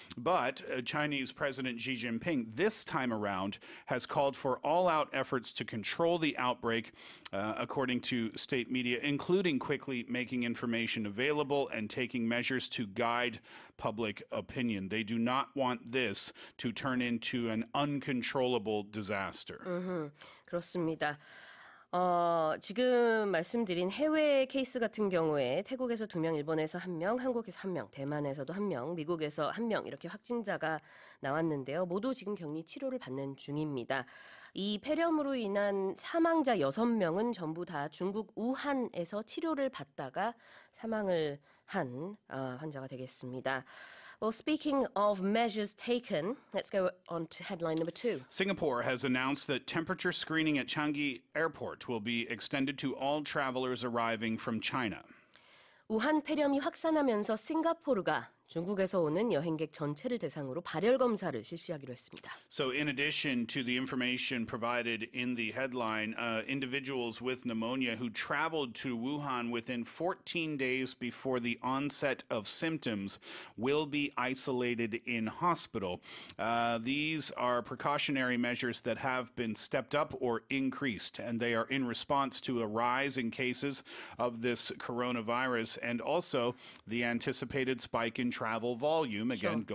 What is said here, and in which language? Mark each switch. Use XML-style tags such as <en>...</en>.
<en>But Chinese President Xi Jinping this time around has called for all-out efforts to control the outbreak, according to state media, including quickly making information available and taking measures to guide public opinion. They do not want this to turn into an uncontrollable disaster.</en> <ko>Mm-hmm. 그렇습니다. 지금 말씀드린 해외 케이스 같은 경우에 태국에서 2명, 일본에서 1명, 한국에서 1명, 대만에서도 1명, 미국에서 1명 이렇게 확진자가 나왔는데요. 모두 지금 격리 치료를 받는 중입니다. 이 폐렴으로 인한 사망자 6명은 전부 다 중국 우한에서 치료를 받다가 사망을 한 환자가 되겠습니다.</ko> <en>Well, speaking of measures taken, let's go on to headline number two. Singapore has announced that temperature screening at Changi Airport will be extended to all travelers arriving from China.</en> <ko>우한 폐렴이 확산하면서 싱가포르가 중국에서 오는 여행객 전체를 대상으로 발열 검사를 실시하기로 했습니다.</ko> <en>So in addition to the information provided in the headline, individuals with pneumonia who traveled to Wuhan within 14 days before the onset of symptoms will be isolated in hospital. These are precautionary measures that have been stepped up or increased, and they are in response to a rise in cases of this coronavirus and also the anticipated spike in travel volume. Again, sure.</en>